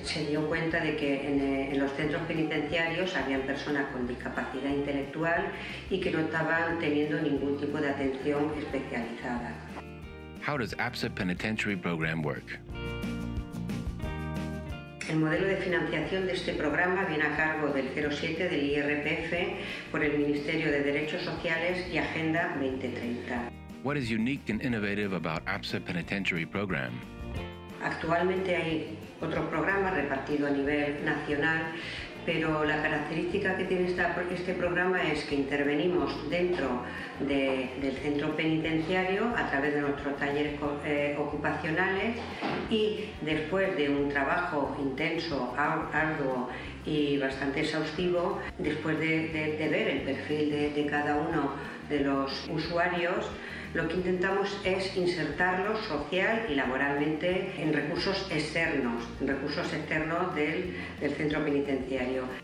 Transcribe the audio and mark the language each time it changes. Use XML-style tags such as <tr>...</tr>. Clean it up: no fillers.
<es>Se dio cuenta de que en los centros penitenciarios habían personas con discapacidad intelectual y que no estaban teniendo ningún tipo de atención especializada.</es> <en>How does APSA Penitentiary Program work?</en> <es>El modelo de financiación de este programa viene a cargo del 07 del IRPF por el Ministerio de Derechos Sociales y Agenda 2030.</es> <en>What is unique and innovative about APSA Penitentiary Program?</en> <es>Actualmente hay otros programas repartidos a nivel nacional, pero la característica que tiene este programa es que intervenimos dentro del centro penitenciario a través de nuestros talleres ocupacionales y después de un trabajo intenso, arduo y bastante exhaustivo, después de ver el perfil de cada uno de los usuarios, lo que intentamos es insertarlos social y laboralmente en recursos externos del centro penitenciario.</es>